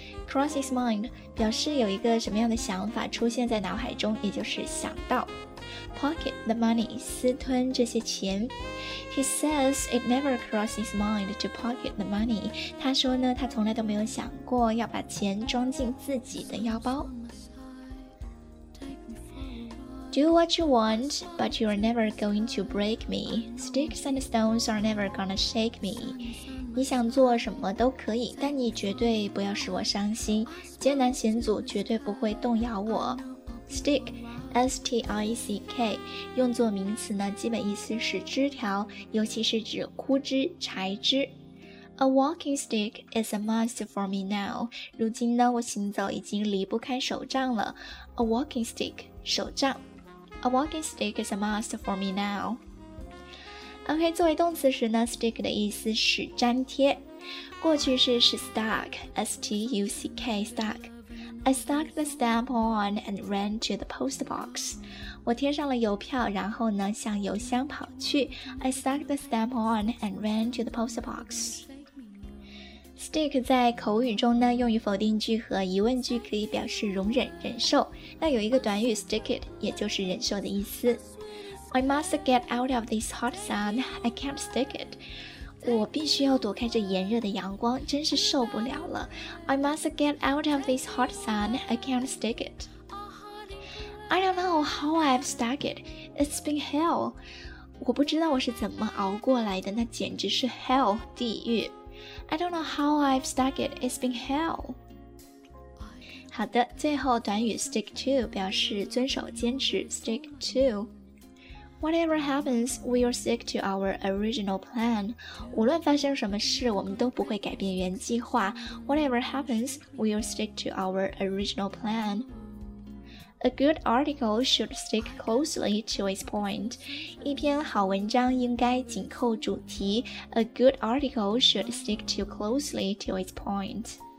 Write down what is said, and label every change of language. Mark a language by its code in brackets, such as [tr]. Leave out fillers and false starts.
[zh] Cross his mind 表示有一个什么样的想法出现在脑海中，也就是想到。 [en] Pocket the money， [zh] 私吞这些钱。 [en] He says it never crossed his mind to pocket the money。 [zh] 他说呢，他从来都没有想过要把钱装进自己的腰包。 [en] Do what you want, but you're never going to break me. Sticks and stones are never gonna shake me。 [zh] 你想做什么都可以，但你绝对不要使我伤心。艰难险阻绝对不会动摇我。 Stick。 S-T-I-C-K 用作名词呢，基本意思是枝条，尤其是指枯枝、柴枝。 [en] A walking stick is a must for me now。 [zh] 如今呢，我行走已经离不开手杖了。 [en] A walking stick 手杖。 A walking stick is a must for me now。 OK， [zh] 作为动词时呢， [en] stick [zh] 的意思是粘贴，过去式是 [en] stuck， S-T-U-C-K stuck。 I stuck the stamp on and ran to the post box。 [zh] 我贴上了邮票，然后呢向邮箱跑去。 [en] I stuck the stamp on and ran to the post box。 [zh] Stick 在口语中呢用于否定句和疑问句，可以表示容忍、忍受。那有一个短语 [en] stick it， [zh] 也就是忍受的意思。 [en] I must get out of this hot sun, I can't stick it。 [zh] 我必须要躲开这炎热的阳光，真是受不了了。 [en] I must get out of this hot sun, I can't stick it。 I don't know how I've stuck it, it's been hell。 [zh] 我不知道我是怎么熬过来的，那简直是 hell, 地狱。 [en] I don't know how I've stuck it, it's been hell。 [zh] 好的，最后短语 [en] stick to [zh] 表示遵守、坚持， [en] stick to。 Whatever happens, we'll stick to our original plan。 [zh] 无论发生什么事，我们都不会改变原计划。 [en] Whatever happens, we'll stick to our original plan。 A good article should stick closely to its point。 [zh] 一篇好文章应该紧扣主题。 [en] A good article should stick too closely to its point。